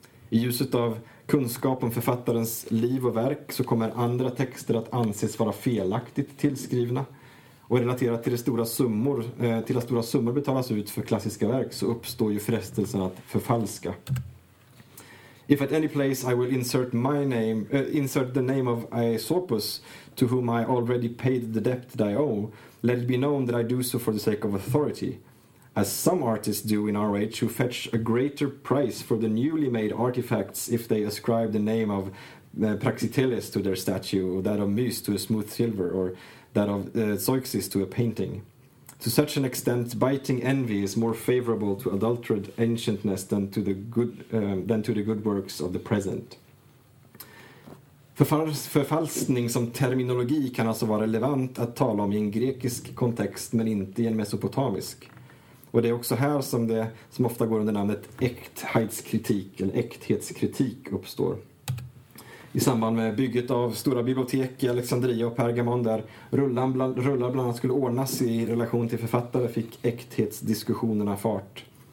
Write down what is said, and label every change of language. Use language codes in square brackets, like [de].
[sv] I ljuset av kunskap om författarens liv och verk så kommer andra texter att anses vara felaktigt tillskrivna, och relaterat till att stora summor betalas ut för klassiska verk så uppstår ju frestelsen att förfalska. [en] If at any place I will insert my name, insert the name of Aesopus, to whom I already paid the debt that I owe, let it be known that I do so for the sake of authority, as some artists do in our age, who fetch a greater price for the newly made artifacts if they ascribe the name of Praxiteles to their statue, or that of Muse to a smooth silver, or that of Zeuxis to a painting. To such an extent, biting envy is more favorable to adulterated ancientness than to the good works of the present. [sv] Förfalskning som terminologi kan alltså vara relevant att tala om i en grekisk kontext, men inte i en mesopotamisk. Och det är också här som det som ofta går under namnet äkthetskritik eller äkthetskritik uppstår. I samband med bygget av stora bibliotek i Alexandria och Pergamon, där rullar bland annat skulle ordnas i relation till författare, fick äkthetsdiskussionerna fart.